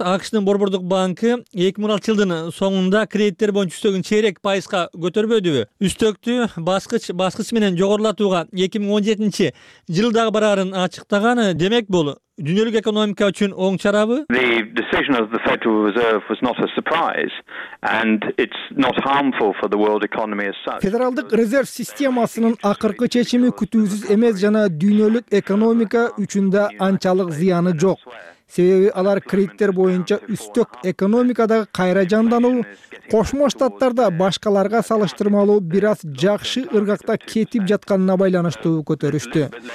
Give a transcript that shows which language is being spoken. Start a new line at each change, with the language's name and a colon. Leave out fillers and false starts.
Kyrgyz: АКШнын борбордук банкы 2016 жылдын соңунда кредиттер боюнча үстөгүн 0.5% көтөрбөдүбү? Үстөктү баскыч менен жогорулатууга 2017 жылдагы барарын ачыктаган, демек бул дүйнөлүк экономика үчүн оң чарабы?
English: The decision of the Federal Reserve was not a surprise and it's not harmful for the world economy as such.
Kyrgyz: Федералдык резерв системасынын акыркы чечими күтүүсүз эмес жана дүйнөлүк экономика үчүн да анчалык зыяны жок. Себеби алар кредиттер боюнча үстөк экономикадагы кайра жандануу, Кошмо Штаттарда башкаларга салыштырмалуу бир аз жакшы ыргакта кетип жатканына байланыштуу көтөрүштү.